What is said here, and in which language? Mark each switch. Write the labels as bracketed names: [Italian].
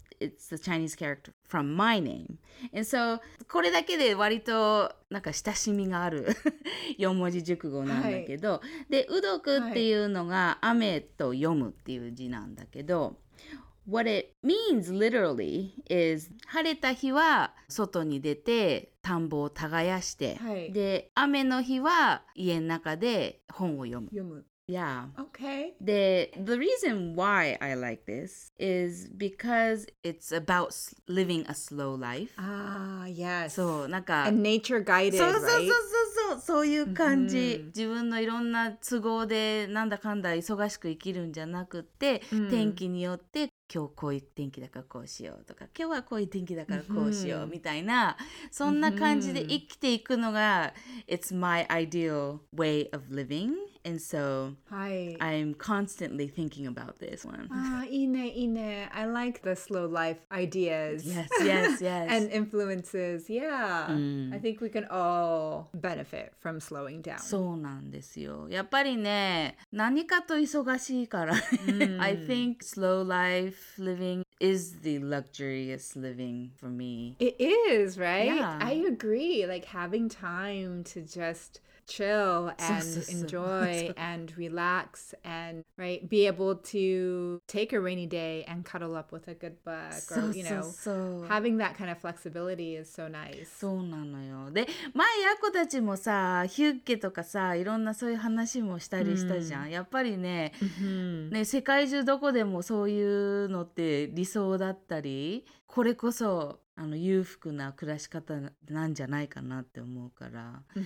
[English] It's the Chinese character from my name. [Japanese] And so, これだけで割となんか親しみがある四文字熟語なんだけど、はい、で、うどくっていうのが雨と読むっていう字なんだけど、はい、 [English] What it means literally is [Japanese] 晴れた日は外に出て田んぼを耕して、はい、で、雨の日は家の中で本を読む。読む。 [English] Yeah. Okay. The reason why I like this is because it's about living a slow life. Ah, yes. So, なんか And nature guided, [Japanese] そうそうそうそう、 [English] right? [Japanese] そういう感じ。自分のいろんな都合でなんだかんだ忙しく生きるんじゃなくて、天気によって今日こういう天気だからこうしようとか、今日はこういう天気だからこうしようみたいな、そんな感じで生きていくのが、 [English] It's my ideal way of living. And so,、 [Japanese] はい、 [English] I'm constantly thinking about this one. Ah, [Japanese] いいね、いいね。 [English] I like the slow life ideas. Yes, yes, yes. And influences. Yeah.、I think we can all benefit from slowing down. [Japanese] そうなんですよ。やっぱりね、何かと忙しいから、ね。 [English] I think slow life living is the luxurious living for me. It is, right? Yeah. I agree. Like having time to justchill and [Japanese] そうそうそう [English] enjoy and relax and right be able to take a rainy day and cuddle up with a good book or you know [Japanese] そうそうそう [English] having that kind of flexibility is so nice. [Japanese] そうなのよ。で、前やこたちもさ、ヒュッケとかさ、いろんなそういう話もしたりしたじゃん。やっぱりね、ね、世界中どこでもそういうのって理想だったり、これこそ。裕福な暮らし方なんじゃないかなって思うから。